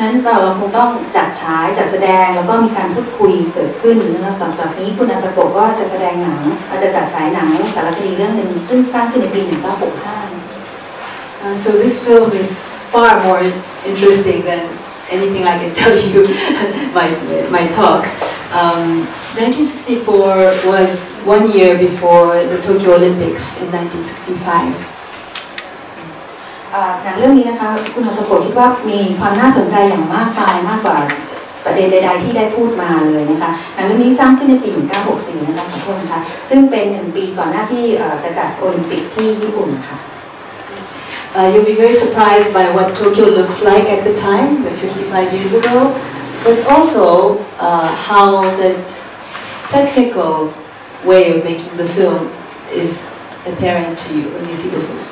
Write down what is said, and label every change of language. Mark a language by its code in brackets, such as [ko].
[th] นั้นเราคงต้องจัดฉายจัดแสดงแล้วก็มีการพูดคุยเกิดขึ้นนะครับต่อนี้คุณอาสโกก็จะแสดงหนังอาจจะจัดฉายหนังสารคดีเรื่องนึงซึ่งสร้างขึ้นในปี1965 [en] So this film is far more interesting than anything I can tell you my talk 1964 was one year before the Tokyo Olympics in 1965 [th] หนังเรื่องนี้นะคะคุณอาสโกคิดว่ามีความน่าสนใจอย่างมากมายมากกว่าประเด็นใดๆที่ได้พูดมาเลยนะคะหนังเรื่องนี้สร้างขึ้นในปี1964นะคะขอโทษนะคะซึ่งเป็น1ปีก่อนหน้าที่จะจัดโอลิมปิกที่ญี่ปุ่นค่ะ [en] You'll be very surprised by what Tokyo looks like at the time, 55 years ago, but also how the technical way of making the film is apparent to you when you see the film.